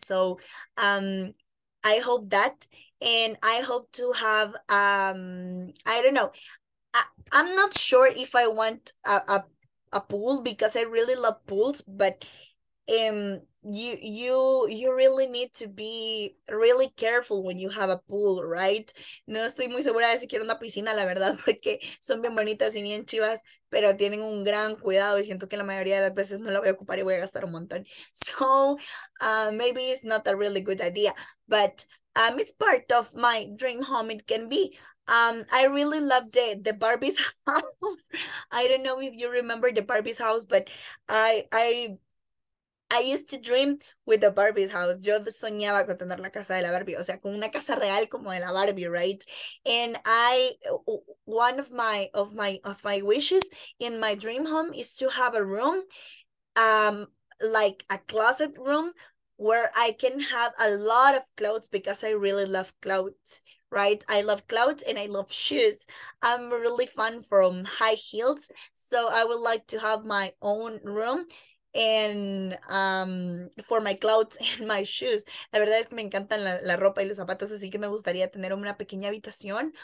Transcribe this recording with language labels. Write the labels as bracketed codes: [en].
[en] So I hope that, and I hope to have I don't know, I'm not sure if I want a pool, because I really love pools, but You really need to be really careful when you have a pool, right? [es] No estoy muy segura de si quiero una piscina, la verdad, porque son bien bonitas y bien chivas, pero tienen un gran cuidado y siento que la mayoría de las veces no la voy a ocupar y voy a gastar un montón. [en] So, maybe it's not a really good idea, but it's part of my dream home, it can be. I really loved the Barbie's house. I don't know if you remember the Barbie's house, but I used to dream with the Barbie's house. [es] Yo soñaba con tener la casa de la Barbie, o sea, con una casa real como de la Barbie, right? [en] And I, one of my wishes in my dream home is to have a room, like a closet room where I can have a lot of clothes because I really love clothes. Right, I love clothes and I love shoes. I'm really fun from high heels, so I would like to have my own room and for my clothes and my shoes. [es] La verdad es que me encantan la ropa y los zapatos, así que me gustaría tener una pequeña habitación.